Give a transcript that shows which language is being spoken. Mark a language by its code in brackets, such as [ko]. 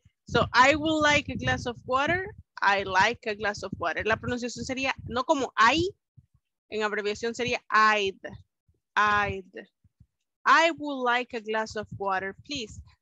[en] So, I would like a glass of water. I like a glass of water. [es] La pronunciación sería, no como I, en abreviación sería I'd. [en] I'd. I would like a glass of water, please.